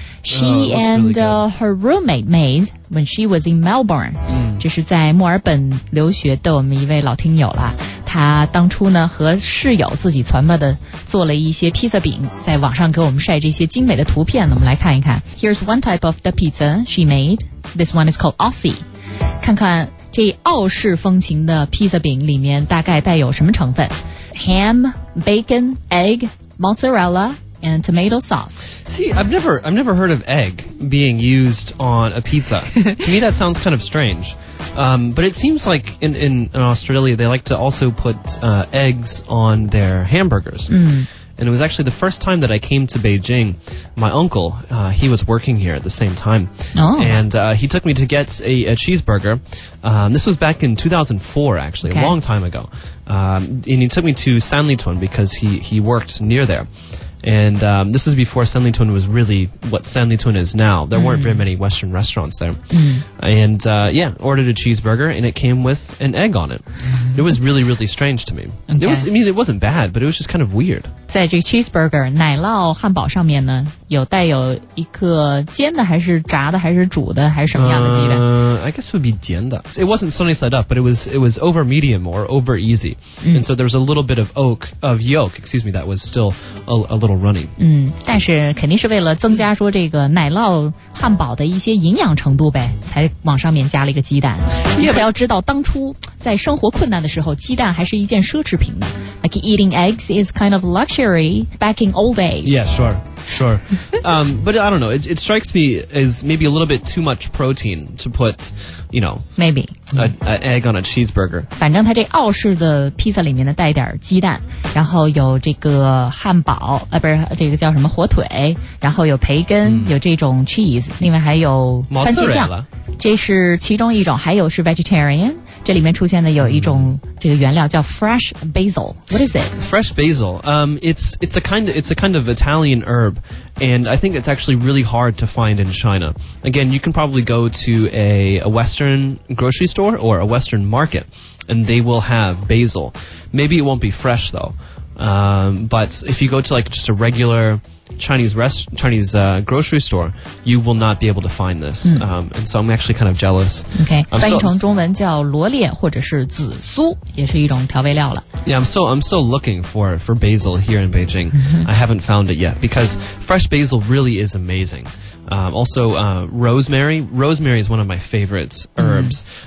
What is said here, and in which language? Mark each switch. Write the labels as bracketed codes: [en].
[en] She and her roommate made when she was in Melbourne [zh] 这是在墨尔本留学的我们一位老听友了他当初呢和室友自己传播的做了一些披萨饼在网上给我们晒这些精美的图片我们来看一看 [en] Here's one type of the pizza she made This one is called Aussie [zh] 看看这澳式风情的披萨饼里面大概带有什么成分 [en] Ham, bacon, egg, mozzarella, and tomato sauce See, I've never heard of egg being used on a pizza To me that sounds kind of strange But it seems like in Australia they like to also put eggs on their hamburgers And it was actually the first time that I came to Beijing. My uncle, he was working here at the same time. Oh. And he took me to get a cheeseburger. This was back in 2004, actually, okay. a long time ago. And he took me to San Lituan because he worked near there. And this is before San Lituan was really what San Lituan is now. There weren't very many Western restaurants there. And yeah, ordered a cheeseburger and it came with an egg on it. It was really, really strange to me. Okay. It wasn't bad, but it was just kind of weird. [zh] 在这个 cheeseburger, 奶酪汉堡上面呢有带有一个煎的还是炸的还是煮的还是什么样的鸡蛋 [en] I guess it would be 煎的 It wasn't sunny side up, but it was over medium or over easy. And so there was a little bit of yolk, that was still a little runny. [zh] 但是肯定是为了增加说这个奶酪汉堡的一些营养程度呗才往上面加了一个鸡蛋。 [en] Yeah, [zh] 要知道当初在生活困难的时候鸡蛋还是一件奢侈品的。 [en] Like eating eggs is kind of luxury back in old days. Yeah, sure. Sure. But I don't know. It strikes me as maybe a little bit too much protein to put, you know, maybe an egg on a cheeseburger. [zh] 反正它这澳式的披萨里面呢带点鸡蛋然后有这个汉堡不是这个叫什么火腿然后有培根有这种 cheese, 另外还有番茄酱。这是其中一种还有是 vegetarian。这里面出现的有一种这个原料叫 fresh basil. [en] What is it? Fresh basil. It's a kind of Italian herb, and I think it's actually really hard to find in China. Again, you can probably go to a Western grocery store or a Western market, and they will have basil. Maybe it won't be fresh though. But if you go to like just a regular Chinese grocery store, you will not be able to find this. And so I'm actually kind of jealous. [zh] Okay, 翻译成中文叫罗列或者是紫苏，也是一种调味料了。 [en] Yeah, I'm still looking for basil here in Beijing. I haven't found it yet because fresh basil really is amazing. Also, rosemary is one of my favorite herbs.